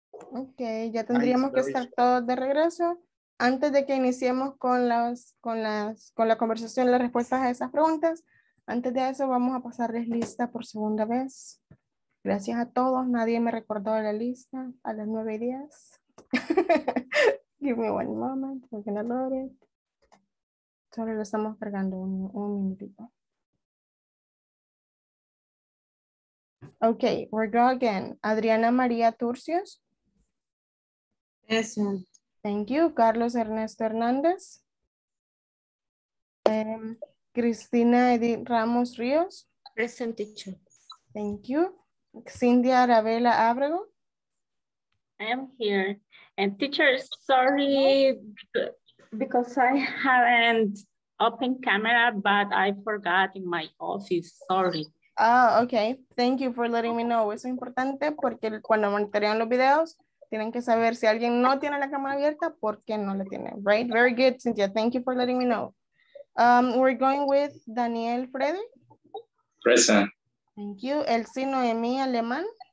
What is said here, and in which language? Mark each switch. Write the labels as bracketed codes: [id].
[es] Ok, ya tendríamos que estar todos de regreso. Antes de que iniciemos con la conversación, las respuestas a esas preguntas, antes de eso vamos a pasarles lista por segunda vez. Gracias a todos, nadie me recordó la lista a las 9:10. [en] Give me one moment, we're gonna load it. [es] Solo lo estamos cargando un minutito. [en] Okay, we're going again. Adriana María Turcios. Present. Thank you. Carlos Ernesto Hernández. [es] Cristina Edith Ramos Ríos. [en] Present teacher. Thank you. Cindy Arabella Abrego. I am here. And teacher, sorry because I haven't opened camera, but I forgot in my office. Sorry. Ah, okay. Thank you for letting me know. [es] Eso es importante porque cuando monitorean los videos, tienen que saber si alguien no tiene la cámara abierta, ¿por qué no la tiene? [en] Right? Very good, Cynthia. Thank you for letting me know. We're going with Daniel Freddy. Present. Thank you. Elsie Noemí Alemán.